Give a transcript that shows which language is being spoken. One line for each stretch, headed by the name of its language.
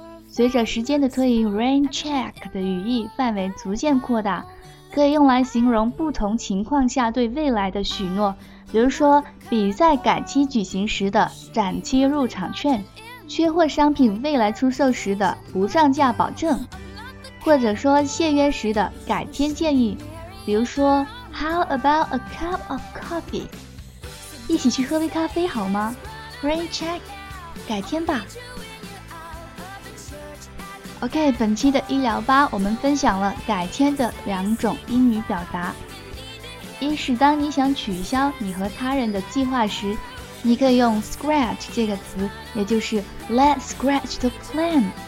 Chinese: 随着时间的推移， rain check 的语义范围逐渐扩大，可以用来形容不同情况下对未来的许诺，比如说比赛改期举行时的展期入场券，缺货商品未来出售时的不上架保证，或者说限约时的改天建议，比如说
English: How about a cup of coffee?
Chinese: 一起去喝杯咖啡好吗？
English: Rain check,
Chinese: 改天吧。 OK, 本期的医疗吧，我们分享了改天的两种英语表达。一是当你想取消你和他人的计划时，你可以用 scratch 这个词，也就是
English: let's scratch the plan。